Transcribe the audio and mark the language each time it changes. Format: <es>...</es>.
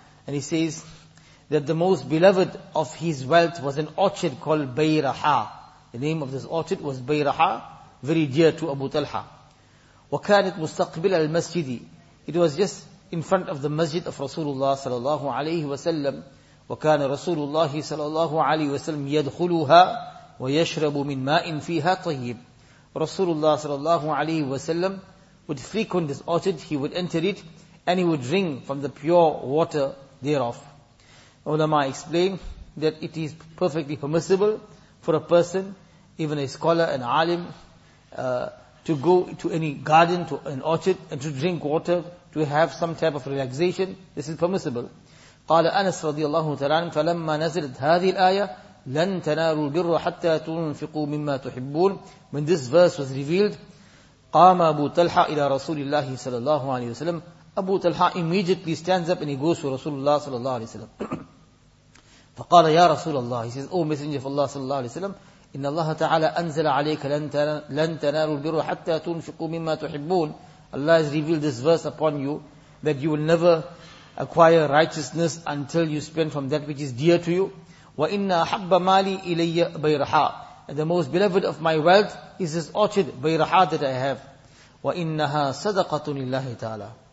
<en>And he says that the most beloved of his wealth was an orchard called Bayraha. The name of this orchard was Bayraha, very dear to Abu Talha.</en> <ar>وَكَانَتْ مُسْتَقْبِلَ الْمَسْجِدِ.</ar> <en>It was just in front of the masjid of Rasulullah sallallahu alayhi wa sallam.</en> <ar>وَكَانَ رَسُولُ اللَّهِ sallallahu alayhi wa sallam يَدْخُلُهَا وَيَشْرَبُ مِنْ مَاءٍ فِيهَا طَيِّبٍ.</ar> <en>Rasulullah sallallahu alayhi wa sallam would frequent this orchard, he would enter it, and he would drink from the pure water thereof. Ulama explain that it is perfectly permissible for a person, even a scholar, an alim, to go to any garden, to an orchard, and to drink water, to have some type of relaxation. This is permissible.</en> <ar>قال أنس رضي الله تعالى فلما نزلت هذه الآية لن تنالوا البر حتى تنفقوا مما تحبون.</ar> <en>When this verse was revealed,</en> <ar>قام أبو طلحة إلى رسول الله صلى الله عليه وسلم.</ar> <en>Abu Talha immediately stands up and he goes to Rasulullah sallallahu alayhi wa sallam.</en> <ar>فَقَالَ يَا رَسُولَ اللَّهِ.</ar> <en>He says, O Messenger of Allah</en> <ar>sallallahu alayhi wa sallam, إِنَّ اللَّهَ تَعَالَى أَنزَلَ عَلَيْكَ لَن تَنَالُوا الْبِرُّ حَتَّى تُنْفِقُوا مِمَّا تُحِبُّونَ.</ar> <en>Allah has revealed this verse upon you, that you will never acquire righteousness until you spend from that which is dear to you.</en> <ar>وَإِنَّ أَحَبَّ مَالِي إِلَيَّ بَيْرَحَا.</ar> <en>And the most beloved of my wealth is this orchard, بَيْرَحَا, that I have.</en> <ar>وَإِنَّهَا صَدَقَةٌ لِلَّهِ تَعَالَى.</ar>